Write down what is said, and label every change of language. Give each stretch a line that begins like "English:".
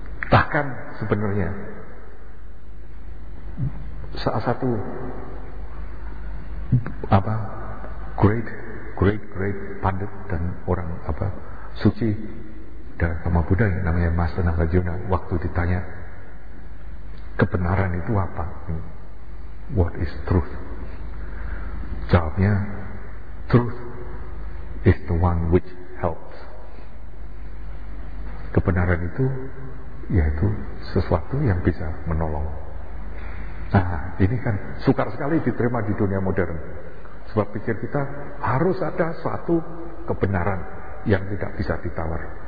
Indonesian: Bahkan sebenarnya salah satu apa great pandit dan orang apa suci dari agama Buddha yang namanya Master Nagarjuna, waktu ditanya kebenaran itu apa?
English: What is truth? Jawabnya, truth is the one which helps.
Indonesian: Kebenaran itu yaitu sesuatu yang bisa menolong. Nah, ini kan sukar sekali diterima di dunia modern. Sebab pikir kita harus ada suatu kebenaran yang tidak bisa ditawar.